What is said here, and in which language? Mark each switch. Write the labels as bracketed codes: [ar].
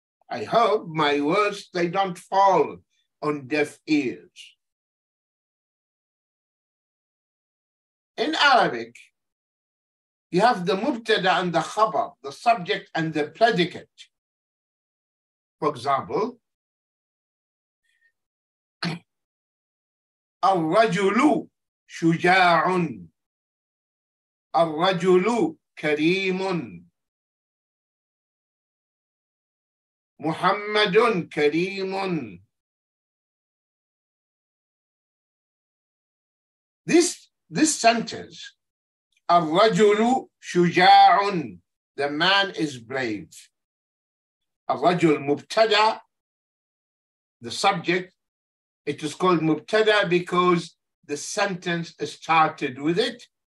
[en] I hope my words, they don't fall on deaf ears. In Arabic, you have the mubtada and the khabar, the subject and the predicate. For example, [ar] الرجل شجاع الرجل كريم محمد كريم. [en] This sentence, [ar] الرجل شجاع, [en] the man is brave. [ar] الرجل مبتدا, [en] the subject, it is called مبتدا because the sentence started with it.